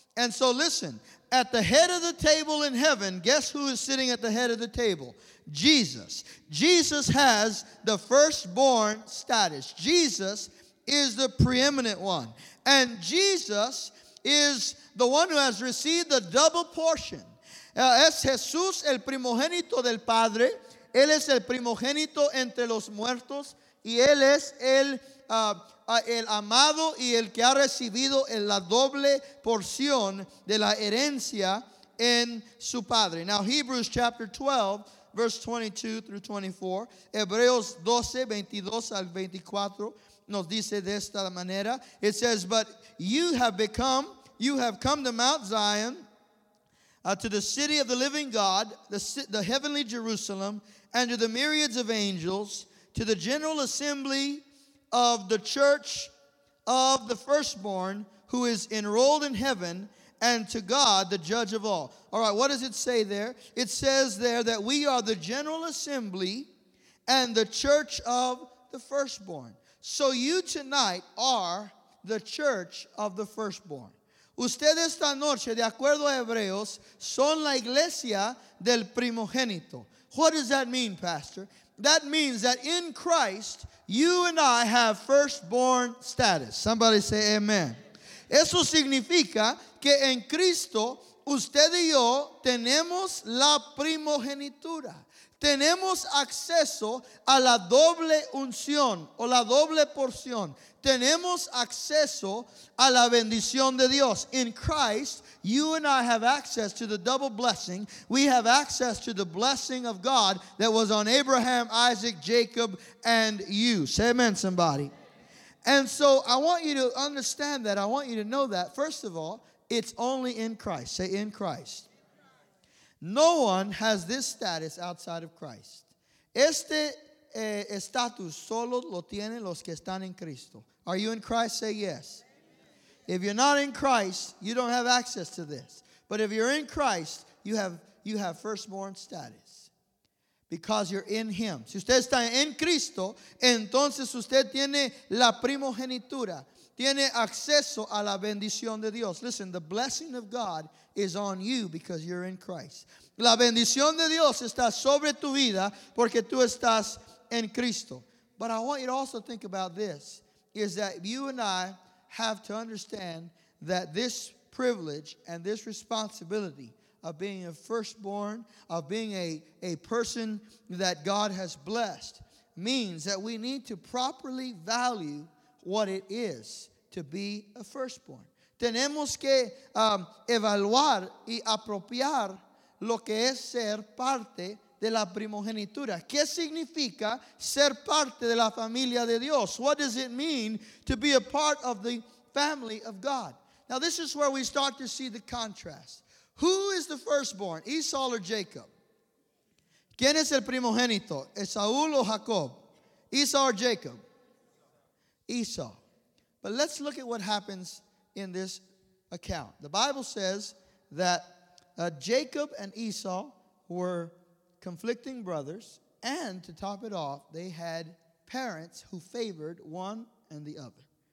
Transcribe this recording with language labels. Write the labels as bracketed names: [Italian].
[English] And so listen, at the head of the table in heaven, guess who is sitting at the head of the table? Jesus. Jesus has the firstborn status. Jesus is the preeminent one. And Jesus is the one who has received the double portion. [Spanish] Es Jesús el primogénito del Padre. Él es el primogénito entre los muertos, y él es el amado y el que ha recibido la doble porción de la herencia en su padre. [English] Now, Hebrews chapter 12, verse 22 through 24, [Spanish] Hebreos 12, 22 al 24, nos dice de esta manera. [English] It says, but you have come to Mount Zion, to the city of the living God, the heavenly Jerusalem, and to the myriads of angels, to the general assembly of the church of the firstborn who is enrolled in heaven, and to God, the judge of all. All right, what does it say there? It says there that we are the general assembly and the church of the firstborn. So you tonight are the church of the firstborn. [Spanish] Ustedes esta noche, de acuerdo a Hebreos, son la iglesia del primogénito. [English] What does that mean, Pastor? That means that in Christ, you and I have firstborn status. Somebody say amen. [Spanish] Eso significa que en Cristo, usted y yo tenemos la primogenitura. Tenemos acceso a la doble unción o la doble porción. Tenemos acceso a la bendición de Dios. [English] In Christ, you and I have access to the double blessing. We have access to the blessing of God that was on Abraham, Isaac, Jacob, and you. Say amen, somebody. And so I want you to understand that. I want you to know that. First of all, it's only in Christ. Say in Christ. No one has this status outside of Christ. [Spanish] Este estatus solo lo tienen los que están en Cristo. [English] Are you in Christ? Say yes. If you're not in Christ, you don't have access to this. But if you're in Christ, you have firstborn status. Because you're in him. [Spanish] Si usted está en Cristo, entonces usted tiene la primogenitura. Tiene acceso a la bendición de Dios. [English] Listen, the blessing of God is on you because you're in Christ. [Spanish] La bendición de Dios está sobre tu vida porque tú estás en Cristo. [English] But I want you to also think about this, is that you and I have to understand that this privilege and this responsibility of being a firstborn, of being a person that God has blessed, means that we need to properly value what it is to be a firstborn. [Spanish] Tenemos que evaluar y apropiar lo que es ser parte de la primogenitura. ¿Qué significa ser parte de la familia de Dios? [English] What does it mean to be a part of the family of God? Now, this is where we start to see the contrast. Who is the firstborn, Esau or Jacob? [Spanish] ¿Quién es el primogénito, Esau o Jacob? [English] Esau or Jacob? Esau. But let's look at what happens in this account. The Bible says that Jacob and Esau were conflicting brothers, and to top it off, they had parents who favored one and the other.